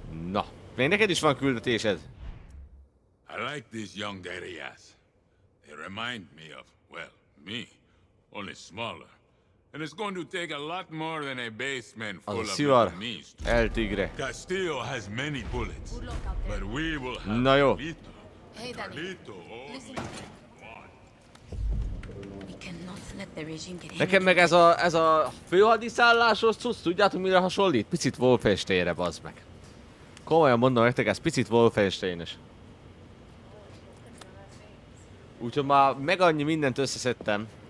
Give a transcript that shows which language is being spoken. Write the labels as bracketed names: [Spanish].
[Hungarian] Na, még neked is van küldetésed? [English] I like these young guerrillas. They remind me of, well, me, only smaller. And it's going to take a lot more than a basement full of enemies to... El Tigre. Castillo has many bullets, but we will have [Hungarian] na jó. [English] Carlito. Hey, Carlito, we cannot let the regime get in. [Hungarian] Nekem meg ez a főhadiszálláshoz cucc, tudjátok mire hasonlít? Picit Wolfensteinre, bazd meg. Komolyan mondom nektek, ez picit Wolfensteines. Úgyhogy már meg annyi mindent összeszedtem.